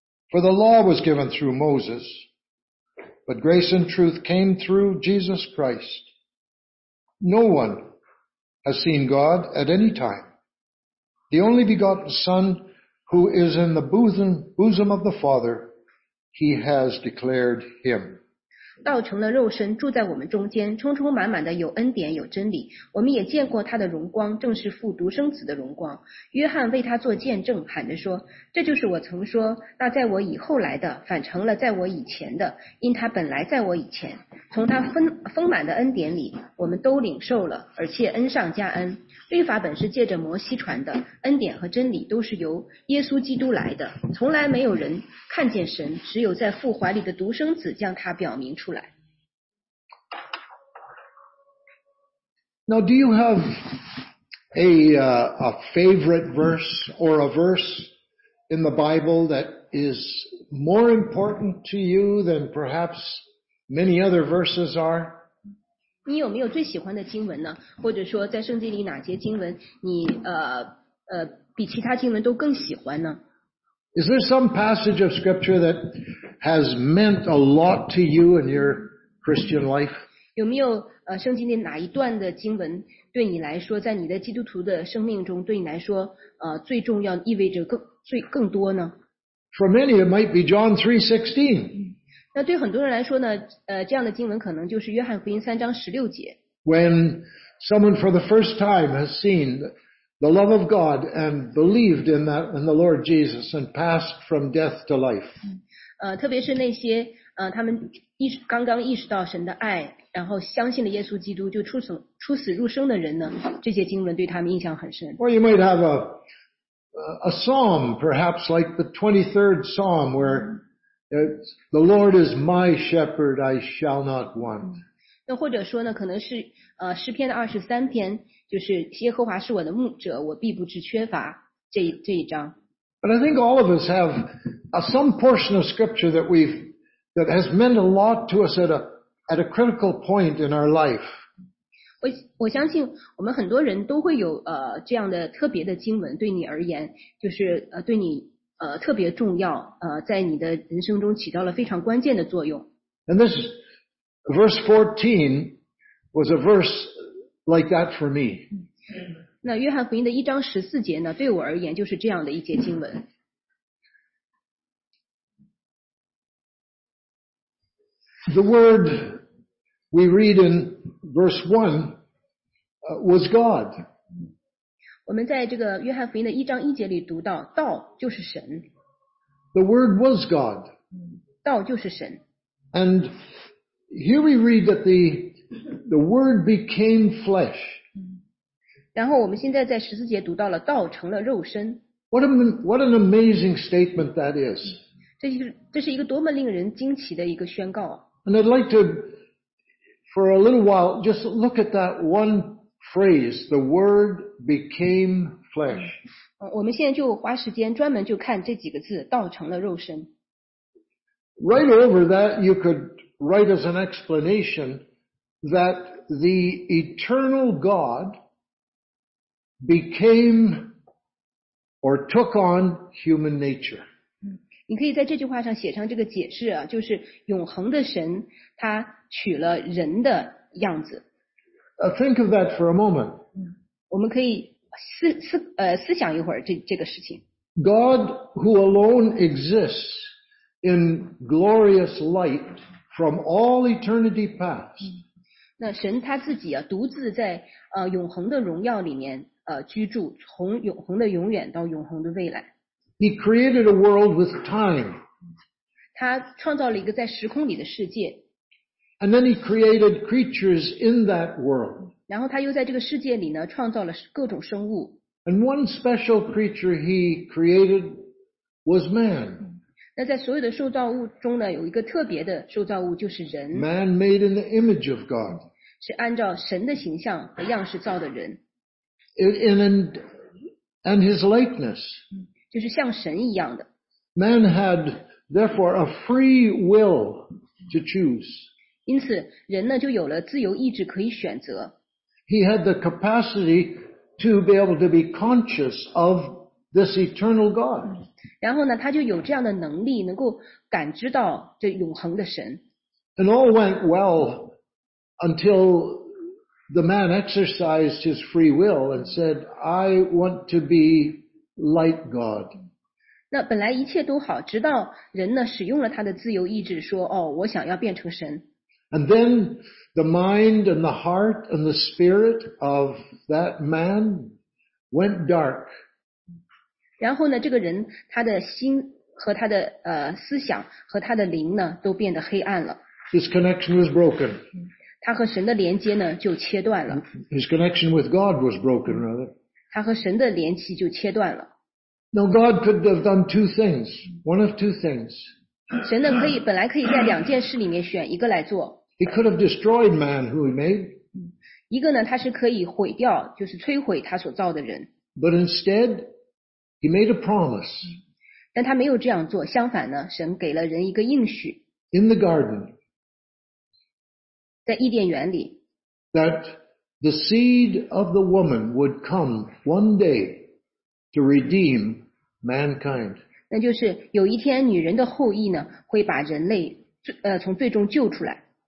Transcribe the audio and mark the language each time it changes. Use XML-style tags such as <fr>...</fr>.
<en>For the law was given through Moses, but grace and truth came through Jesus Christ. No one has seen God at any time. The only begotten Son, who is in the bosom of the Father, he has declared him.</en> <zh>道成了肉身，住在我们中间，充充满满的有恩典，有真理。我们也见过他的荣光，正是父独生子的荣光。约翰为他做见证，喊着说：“这就是我曾说，那在我以后来的，反成了在我以前的，因他本来在我以前。从他丰满的恩典里，我们都领受了，而且恩上加恩。律法本是借着摩西传的，恩典和真理都是由耶稣基督来的。从来没有人看见神，只有在父怀里的独生子将他表明。”</zh> <en>Now, do you have a favorite verse or a verse in the Bible that is more important to you than perhaps many other verses are?</en> <zh>你有没有最喜欢的经文呢？或者说，在圣经里哪些经文你比其他经文都更喜欢呢？</zh> <en>Is there some passage of scripture that has meant a lot to you in your Christian life?</en> <zh>有没有圣经的哪一段的经文对你来说，在你的基督徒的生命中，对你来说最重要，意味着更多呢？</zh> <en>For many, it might be John 3:16.</en> <zh>那对很多人来说呢，这样的经文可能就是约翰福音三章十六节。</zh> <en>When someone for the first time has seen the love of God and believed in that in the Lord Jesus and passed from death to life.</en> <zh>特别是那些他们刚刚意识到神的爱，然后相信了耶稣基督，就出死入生的人呢，这些经文对他们印象很深。</zh> <en>Or you might have a psalm, perhaps like the 23rd psalm, where the Lord is my shepherd, I shall not want.</en> <zh>那或者说呢，可能是诗篇的23篇，就是耶和华是我的牧者，我必不致缺乏这一章。</zh> <en>But I think all of us have some portion of scripture that we've that has meant a lot to us at a critical point in our life.</en> <zh>我相信我们很多人都会有这样的特别的经文，对你而言就是对你特别重要，在你的人生中起到了非常关键的作用。</zh> <en>And this verse 14 was a verse like that for me.</en> <zh>那约翰福音的一章十四节呢，对我而言就是这样的一节经文。</zh> <en>The word we read in verse 1 was God.</en> <zh>我们在这个约翰福音的一章一节里读到，道就是神。</zh> <en>The word was God.</en> <zh>道就是神。</zh> <en>And here we read that the word became flesh.</en> <zh>然后我们现在在十四节读到了，道成了肉身。</zh> <en>What an amazing statement that is.</en> <zh>这是一个多么令人惊奇的一个宣告。</zh> <en>And I'd like to, for a little while, just look at that one phrase, the word became flesh.</en> <zh>我们现在就花时间专门就看这几个字，道成了肉身。</zh> <en>Right over that, you could write as an explanation that the eternal God became or took on human nature.</en> <zh>你可以在这句话上写上这个解释啊，就是永恒的神他取了人的样子。</zh> <en>Think of that for a moment.</en> <zh>我们可以思想一会儿这个事情。</zh> <en>God who alone exists in glorious light from all eternity past.</en> <zh>那神他自己啊，独自在永恒的荣耀里面居住，从永恒的永远到永恒的未来。</zh> <en>He created a world with time.</en> <zh>他创造了一个在时空里的世界。</zh> <en>And then he created creatures in that world.</en> <zh>然后他又在这个世界里呢，创造了各种生物。</zh> <en>And one special creature he created was man.</en> <zh>那在所有的受造物中呢，有一个特别的受造物就是人。</zh> <en>Man made in the image of God.</en> <zh>是按照神的形象和样式造的人。</zh> <en>And his likeness.</en> <zh>就是像神一样的。</zh> <en>Man had therefore a free will to choose.</en> <zh>因此人呢就有了自由意志可以选择。</zh> <en>He had the capacity to be able to be conscious of this eternal God.</en> <zh>然后呢他就有这样的能力能够感知到这永恒的神。</zh> <en>And all went well until the man exercised his free will and said, I want to be Like God.</en> <zh>那本来一切都好，直到人呢使用了他的自由意志，说：“哦，我想要变成神。”</zh> <en>And then the mind and the heart and the spirit of that man went dark.</en> <zh>然后呢，这个人他的心和他的思想和他的灵呢都变得黑暗了。</zh> <en>His connection was broken.</en> <zh>他和神的连接呢就切断了。</zh> <en>His connection with God was broken, rather.</en> <zh>他和神的联系就切断了。</zh> <en>Now God could have done two things, one of two things.</en> <zh>神呢可以本来可以在两件事里面选一个来做。</zh> <en>He could have destroyed man who he made.</en> <zh>一个呢他是可以毁掉，就是摧毁他所造的人。</zh> <en>But instead, he made a promise.</en> <zh>但他没有这样做，相反呢，神给了人一个应许。</zh> <en>In the garden.</en> <zh>在伊甸园里。</zh> <en>That. The seed of the woman would come one day to redeem mankind.</en> <zh>那就是有一天女人的后裔呢会把人类从最终救出来。</zh>